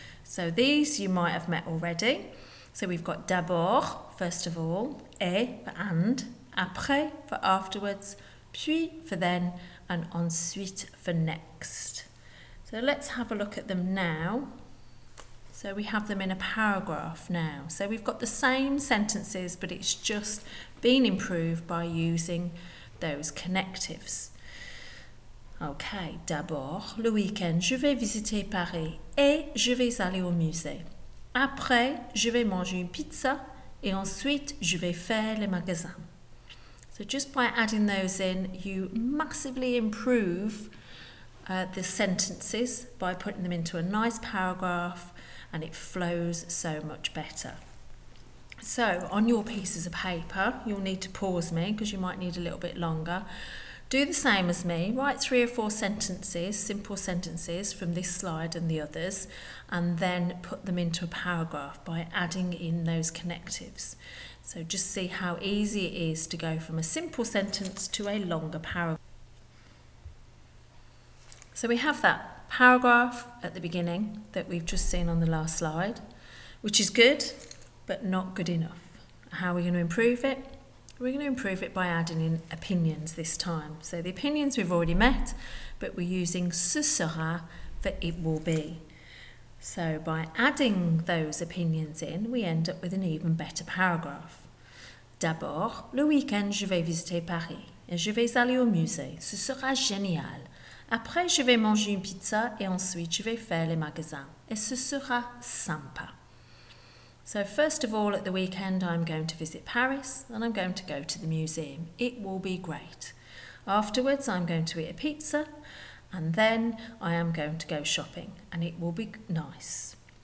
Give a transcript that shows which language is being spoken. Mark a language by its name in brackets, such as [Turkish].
[English] So these you might have met already. So we've got d'abord, first of all, et for and, après for afterwards, puis for then, and ensuite for next. So let's have a look at them now. So we have them in a paragraph now. So we've got the same sentences, but it's just been improved by using those connectives. [French] Okay, d'abord, le week-end, je vais visiter Paris et je vais aller au musée. Après, je vais manger une pizza et ensuite, je vais faire les magasins. [English] So just by adding those in, you massively improve the sentences by putting them into a nice paragraph. And it flows so much better. So on your pieces of paper, you'll need to pause me because you might need a little bit longer. Do the same as me. Write three or four sentences, simple sentences from this slide and the others, and then put them into a paragraph by adding in those connectives. So just see how easy it is to go from a simple sentence to a longer paragraph. So we have that paragraph at the beginning that we've just seen on the last slide, which is good, but not good enough. How are we going to improve it? We're going to improve it by adding in opinions this time. So the opinions we've already met, but we're using ce sera for it will be. So by adding those opinions in, we end up with an even better paragraph. [French] D'abord, le week-end, je vais visiter Paris et je vais aller au musée. Ce sera génial. Après, je vais manger une pizza et ensuite, je vais faire les magasins. Et ce sera sympa. [English] So first of all, at the weekend, I'm going to visit Paris and I'm going to go to the museum. It will be great. Afterwards, I'm going to eat a pizza and then I am going to go shopping and it will be nice.